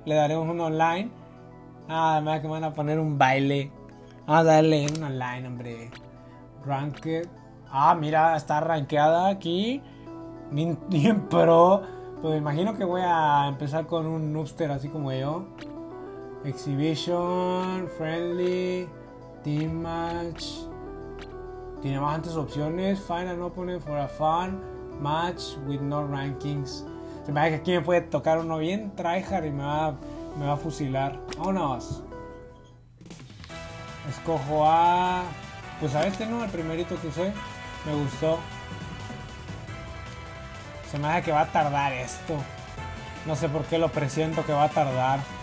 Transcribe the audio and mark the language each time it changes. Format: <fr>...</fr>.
<es>Le daremos un online. Además que me van a poner un baile. Vamos a darle un online, hombre. Ranked. Ah, mira, está rankeada aquí. Bien pro. Pues me imagino que voy a empezar con un noobster así como yo.</es> <en>Exhibition, Friendly, Team Match.</en> <es>Tiene bastantes opciones.</es> <en>Find an opponent for a fun match with no rankings.</en> <es>Se me hace que aquí me puede tocar uno bien tryhard y me va a fusilar. Vámonos. Escojo a. Pues a este, ¿no? El primerito que usé. Me gustó. Se me hace que va a tardar esto. No sé por qué lo presiento que va a tardar.</es>